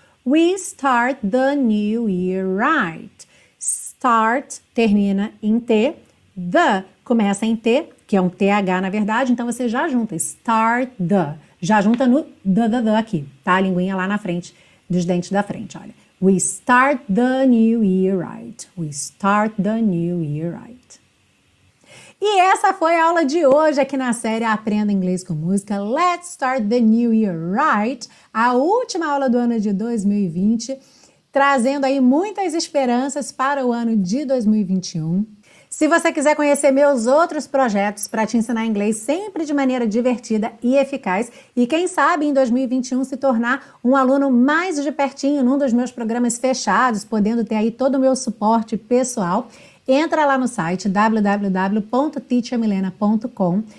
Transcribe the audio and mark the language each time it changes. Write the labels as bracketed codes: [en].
[en] We start the new year right. [pt] Start termina em T. The começa em T, que é um TH na verdade. Então você já junta. Start the. Já junta no the aqui. Tá? A linguinha lá na frente, dos dentes da frente, olha. [en] We start the new year right. We start the new year right. [pt] E essa foi a aula de hoje aqui na série Aprenda Inglês com Música. [en] Let's start the new year right. [pt] A última aula do ano de 2020, trazendo aí muitas esperanças para o ano de 2021. Se você quiser conhecer meus outros projetos para te ensinar inglês sempre de maneira divertida e eficaz, e quem sabe em 2021 se tornar um aluno mais de pertinho num dos meus programas fechados, podendo ter aí todo o meu suporte pessoal, entra lá no site www.teachermilena.com.